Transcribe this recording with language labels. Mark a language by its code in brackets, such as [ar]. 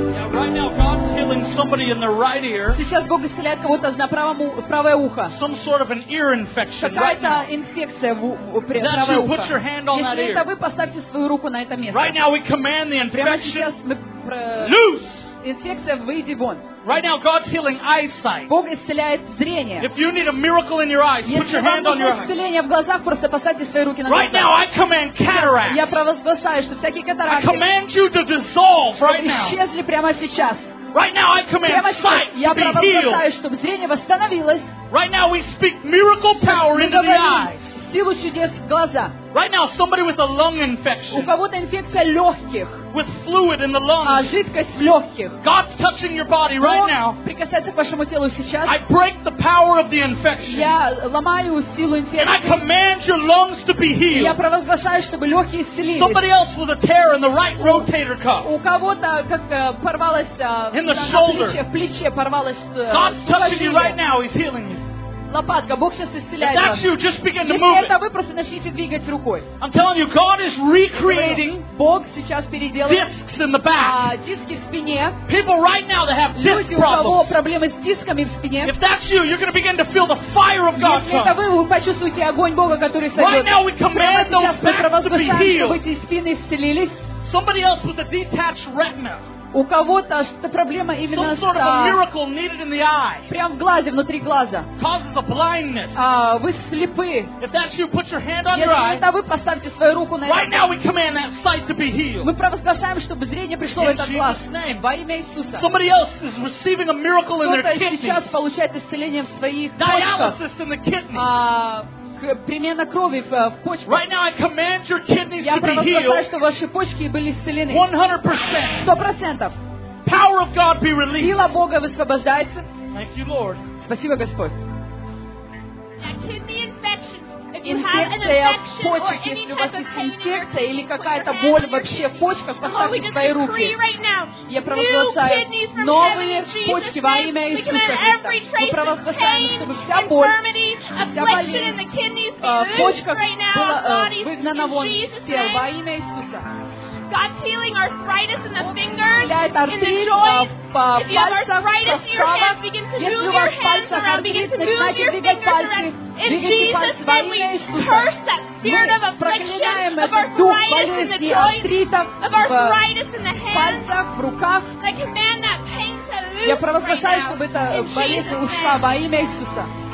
[en] Now, right now, God's healing somebody in their right ear. [ru] Сейчас Бог исцеляет кого-то на правое ухо. [en] Some sort of an ear infection. [ru] Какая-то инфекция в правое ухо. [en] That's you. Put your hand on that ear. [ru] Если это вы, поставьте свою руку на это место. [en] Right now, we command the infection. Loose. [ru] Инфекция, выйди вон. [en] Right now, God's healing eyesight. [ru] Бог исцеляет зрение. [en] If you need a miracle in your eyes, [ru] Если [en] put your hand on your eyes. [ru] Исцеление в глазах, просто поставьте свои руки на [en] Right now, I command cataracts. [ru] Я провозглашаю, что всякие катаракты. [en] I command you to dissolve right now. [ru] Исчезли прямо сейчас. [en] Right now, I command sight to be healed. [ru] Я провозглашаю, чтобы зрение восстановилось. [en] Right now, we speak miracle power into the eyes. [ru] Силу чудес в глаза. [en] Right now, somebody with a lung infection. [ru] У кого-то инфекция легких. [en] With fluid in the lungs. [ru] А жидкость в легких. [en] God's touching your body right now. [ru] Бог прикасается к вашему телу сейчас. [en] I break the power of the infection. [ru] Я ломаю силу инфекции. [en] And I command your lungs to be healed. [ru] Я провозглашаю, чтобы легкие исцелились. [en] Somebody else with a tear in the right rotator cuff. [ru] У кого-то как порвалось [en] in the shoulder. [ru] На плече порвалось. [en] God's touching you right now. He's healing you. [ru] Лопатка, Бог сейчас исцеляет. [en] If that's you, just begin to move. [ru] Если это вы, просто начните двигать рукой. [en] I'm telling you, God is recreating. [ru] Бог сейчас переделывает. [en] Discs in the back. [ru] Диски в спине. [en] People right now that have disc problems. [ru] Люди, у кого проблемы с дисками в спине. [en] If that's you, you're going to begin to feel the fire of God. [ru] Если это вы почувствуете огонь Бога, который сойдет. [en] Right now we command those backs to be healed. [ru] Чтобы эти спины исцелились. [en] Somebody else with a detached retina. [ru] У кого-то проблема именно с прям в глазе, внутри глаза. Вы слепы. Если это вы, поставьте свою руку на это. Мы провозглашаем, чтобы зрение пришло в этот глаз. Во имя Иисуса. Кто-то сейчас получает исцеление в своих почках. Примена крови в почках. [en] Right now I command your kidneys to be healed. [ru] Я провозглашаю, что ваши почки были исцелены. 100%. [en] Power of God be released. [ru] Сила Бога высвобождается. [en] Thank you, Lord. [ru] Спасибо, Господь. [en] A kidney infection. If you have an infection or any type of pain in your kidney, [ru] или какая-то боль вообще в почках, поставьте свои руки. Я провозглашаю новые почки во имя Иисуса Христа. Мы провозглашаем, чтобы вся боль, вся болезнь в почках была выгнана вон из тела во имя Иисуса. [en] God's healing arthritis in the fingers, in the joints. If you have arthritis in your hands, begin to move your hands around. Begin to move your fingers around. In Jesus' name, we curse that spirit of affliction, of arthritis in the joints, of arthritis in the hands. I command that pain to lose right now. [ru] Я провозглашаю, чтобы эта болезнь ушла во имя Иисуса.